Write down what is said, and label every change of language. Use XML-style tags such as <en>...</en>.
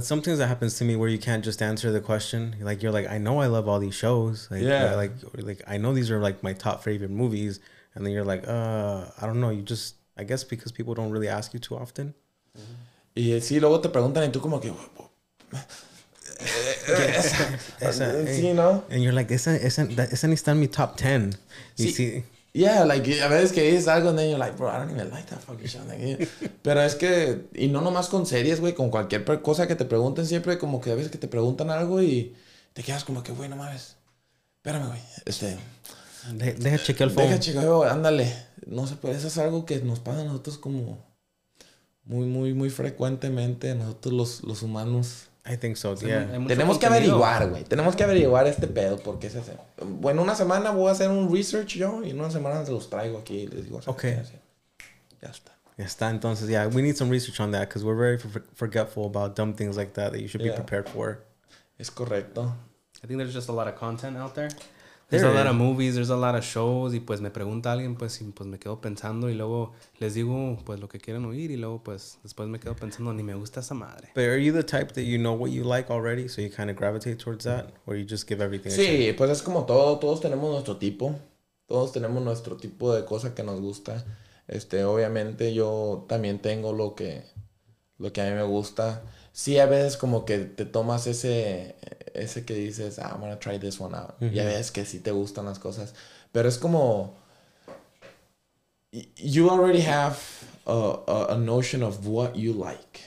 <en>Some things that happens to me where you can't just answer the question. Like, you're like, I know I love all these shows. Like, yeah. Like I know these are like my top favorite movies. And then you're like, I don't know. You just, I guess because people don't really ask you too often.</en> <es>Y sí, luego te preguntan y tú como que...</es> <en>And you're like,</en> <es>esa ni está en mi top 10.</es> <en>You see? Yeah, like,</en> <es>a veces que dices algo,</es> <en>and then you're like, bro, I don't even like that fucking show.</en> <es>Pero es que, y no nomás con series, güey, con cualquier cosa que te pregunten, siempre como que a veces que te preguntan algo y te quedas como que, güey, no mames. Espérame, güey. Deja chequear el phone. Deja chequear, güey, ándale. No sé, pues eso es algo que nos pasa a nosotros como muy, muy, muy frecuentemente, nosotros los humanos.</es> <en>I think so, yeah.</en> <es>Tenemos que averiguar, güey. Tenemos que averiguar este pedo porque se hace. Bueno, una semana voy a hacer un research yo y en una semana se los traigo aquí y les digo.</es> <en>Okay.</en> <es>Ya está. Ya está.</es> <en>Entonces, yeah, we need some research on that because we're very forgetful about dumb things like that that you should be prepared for.</en> <es>Es correcto.</es> <en>I think there's just a lot of content out there. There's a lot of movies, there's a lot of shows,</en> <es>y pues me pregunta alguien, pues, y pues me quedo pensando, y luego les digo, pues, lo que quieren oír, y luego, pues, después me quedo pensando, ni me gusta esa madre.</es> <en>But are you the type that you know what you like already, so you kind of gravitate towards that, or you just give everything sí, a chance?</en> <es>Sí, pues es como todo, todos tenemos nuestro tipo de cosa que nos gusta. Obviamente yo también tengo lo que a mí me gusta. Sí, a veces como que te tomas ese que dices,</es> <en>I'm gonna try this one out.</en> <es>Mm-hmm. Y a veces que sí te gustan las cosas.</es> <en>Pero es como, you already have a notion of what you like.</en>